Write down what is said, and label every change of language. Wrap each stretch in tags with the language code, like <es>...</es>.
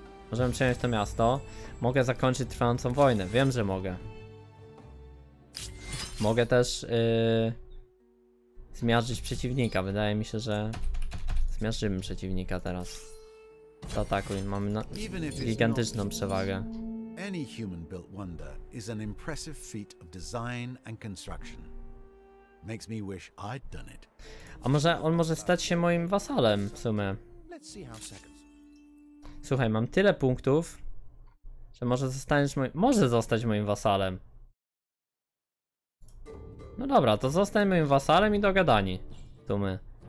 <pl>Możemy przejąć to miasto. Mogę zakończyć trwającą wojnę, wiem, że mogę. Mogę też zmiażdżyć przeciwnika. Wydaje mi się, że zmiażdżymy przeciwnika teraz. Zaatakuj, mamy gigantyczną przewagę.</pl> <en>Any human built wonder is an impressive feat of design and construction. Makes me wish I'd done it.</en> <pl>A może on może stać się moim wasalem w sumie. Słuchaj, mam tyle punktów, że może zostać moim wasalem. No dobra, to zostań moim wasalem i dogadani. Tu my.</pl>